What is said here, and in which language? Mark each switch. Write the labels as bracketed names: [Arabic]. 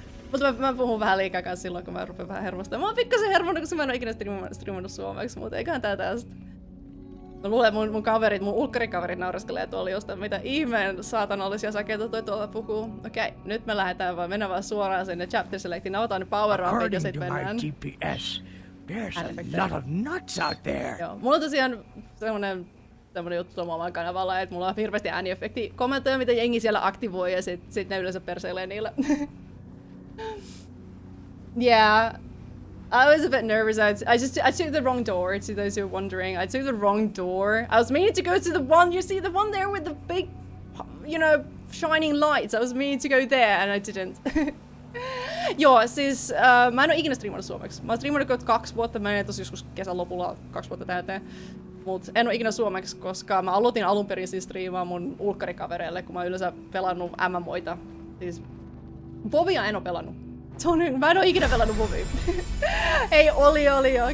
[Finnish] Mutta mä puhun vähän liikaa kanssa silloin, kun mä rupean vähän hermostamaan. Mä oon pikkasen hermonnut, koska mä en oo ikinä striimannut suomeksi, mutta eiköhän tää tästä. Mä luulen, että mun kaverit, mun ulkkarikaverit nauraskelee tuolla jostain, mitä ihmeen saatanallisia sakeita toi tuolla puhuu. Okei, nyt me lähdetään vaan, mennään vaan suoraan sinne chapter selectiin, otan ne power upit ja sit mennään. [English] There's a lot of nuts out there. [Finnish] Joo, mulla on tosiaan semmonen juttu omaan kanavalla, että mulla on hirveästi äänieffekti kommentoja, mitä jengi siellä aktivoi, ja sit ne yleensä perseilee niillä. [English] Yeah, I was a bit nervous. I took the wrong door, to those who are wondering. I took the wrong door. I was meaning to go to the one, you see, the one there with the big, you know, shining lights. I was meaning to go there, and I didn't. [Finnish] Joo, siis mä en oo ikinä striimannut suomeksi. Mä oon striimannut 2 vuotta, mä en tos joskus kesän lopulla 2 vuotta täyteen. Mut en oo ikinä suomeksi, koska mä aloitin alun perin siis striimaan mun ulkkarikavereille, kun mä oon yleensä pelannut MMOita. Siis Vovia en oo pelannut. Mä en oo ikinä pelannut Vovia. Ei, oli joo.